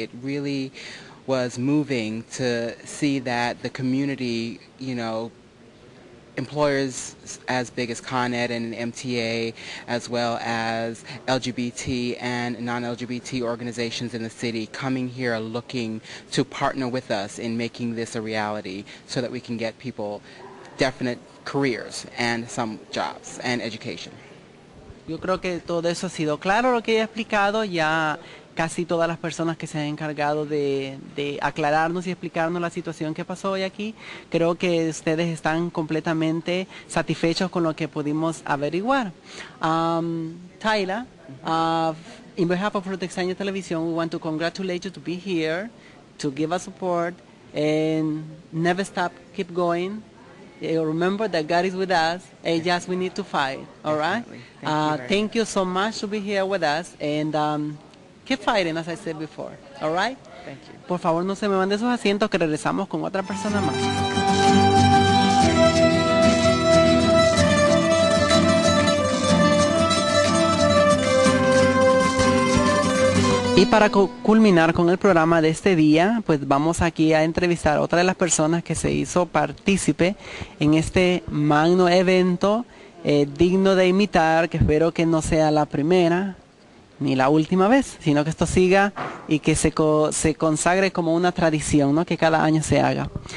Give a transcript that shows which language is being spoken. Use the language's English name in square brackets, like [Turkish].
[English] It really was moving to see that the community, you know, employers as big as Con Ed and MTA, as well as LGBT and non-LGBT organizations in the city, coming here looking to partner with us in making this a reality so that we can get people definite careers and some jobs and education. [Spanish] Yo creo que todo eso ha sido claro lo que he explicado ya. Casi todas las personas que se han encargado de aclararnos y explicarnos la situación que pasó hoy aquí, creo que ustedes están completamente satisfechos con lo que pudimos averiguar. [English] Tyler, in behalf of Protexania Television, we want to congratulate you to be here, to give us support, and never stop, keep going. Remember that God is with us, and just we need to fight, all Definitely. Right? Thank you so much to be here with us, and keep fighting, as I said before. All right? Thank you. [Spanish] Por favor, no se me mande sus asientos, que regresamos con otra persona más. Y para culminar con el programa de este día, pues vamos aquí a entrevistar a otra de las personas que se hizo partícipe en este magno evento, digno de imitar, que espero que no sea la primera ni la última vez, sino que esto siga y que se consagre como una tradición, ¿no? Que cada año se haga.